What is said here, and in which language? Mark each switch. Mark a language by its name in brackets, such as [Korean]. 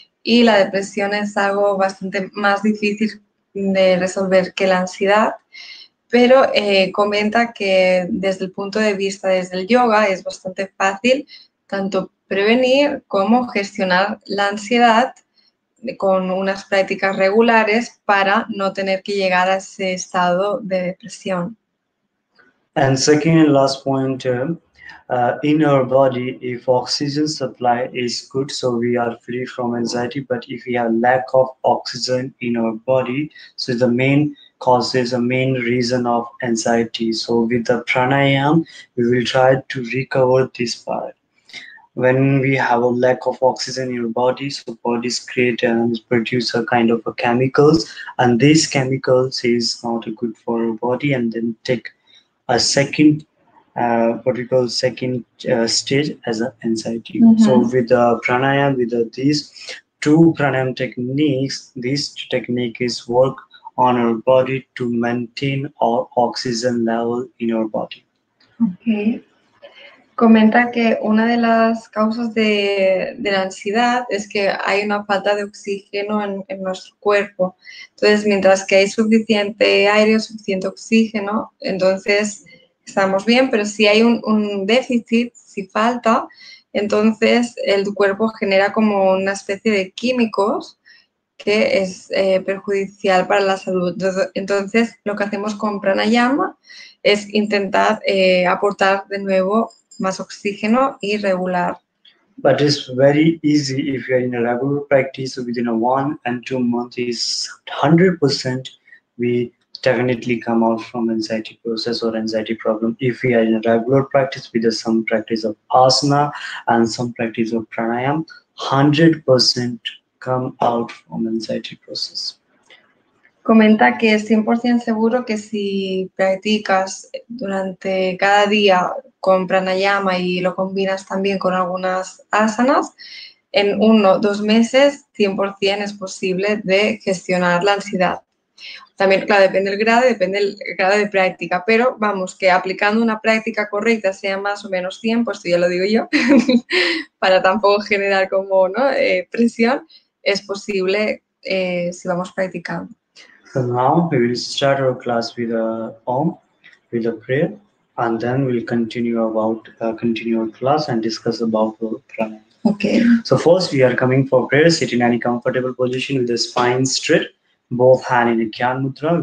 [Spanish] Y la depresión es algo bastante más difícil de resolver que la ansiedad, pero comenta que desde el punto de vista desde el yoga es bastante fácil tanto prevenir como gestionar la ansiedad con unas prácticas regulares para no tener que llegar a ese estado de depresión. [English] And second and last point, in our body, if oxygen supply is good, so we are free from anxiety. But if we have lack of oxygen in our body, so the main causes, the main reason of anxiety. So with the pranayama, we will try to recover this part. When we have a lack of oxygen in our body, so bodies create and produce a kind of a chemicals, and these chemicals is not good for our body, and then take a second, what we call second stage as an anxiety. So with the pranayama, with these two pranayama techniques, this technique is work on our body to maintain our oxygen level in our body. [Spanish] Comenta que una de las causas de la ansiedad es que hay una falta de oxígeno en nuestro cuerpo. Entonces, mientras que hay suficiente aire, suficiente oxígeno, entonces estamos bien, pero si hay un déficit, si falta, entonces el cuerpo genera como una especie de químicos que es perjudicial para la salud. Entonces, lo que hacemos con pranayama es intentar aportar de nuevo más oxígeno y regular. [English] But it's very easy if you're in a regular practice within a 1 and 2 months, is 100% we definitely come out from anxiety process or anxiety problem. If we are in a regular practice with some practice of asana and some practice of pranayama, 100% come out from anxiety process. [Spanish] Comenta que es 100% seguro que si practicas durante cada día con pranayama y lo combinas también con algunas asanas, en 1-2 meses, 100% es posible de gestionar la ansiedad. También, claro, depende del grado de práctica, pero vamos, que aplicando una práctica correcta, sea más o menos tiempo, esto ya lo digo yo, para tampoco generar como, ¿no?, presión, es posible si vamos practicando. [English] So now we will start our class with a om, with a prayer, and then we'll continue our class and discuss about the pranayama. Okay. So first we are coming for prayer. Sit in any comfortable position with the spine straight, both hand in a Gyan Mudra.